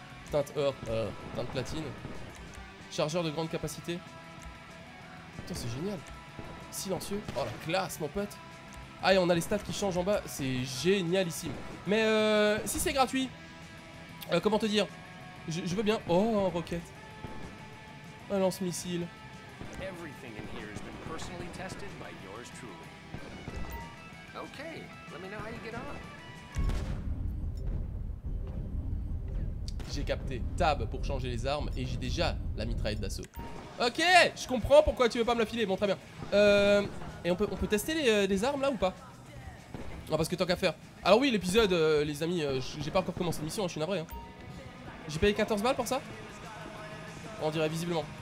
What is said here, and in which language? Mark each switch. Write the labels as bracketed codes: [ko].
[fr] Teinte or, teinte platine. Chargeur de grande capacité. Putain, c'est génial. Silencieux, oh la classe, mon pote. Ah, et on a les stats qui changent en bas. C'est génialissime. Mais si c'est gratuit, comment te dire, je veux bien. Oh, un roquette. Un lance-missile. [en] Everything in here has been personally tested by yours truly. Okay, let me know how you get on. [fr] J'ai capté tab pour changer les armes et j'ai déjà la mitraillette d'assaut. Ok, je comprends pourquoi tu veux pas me la filer. Bon, très bien. Et on peut tester les armes là ou pas? Non, parce que tant qu'à faire. Alors oui, l'épisode, les amis, j'ai pas encore commencé l'émission, hein, je suis navré. Hein. J'ai payé 14 balles pour ça? On dirait visiblement.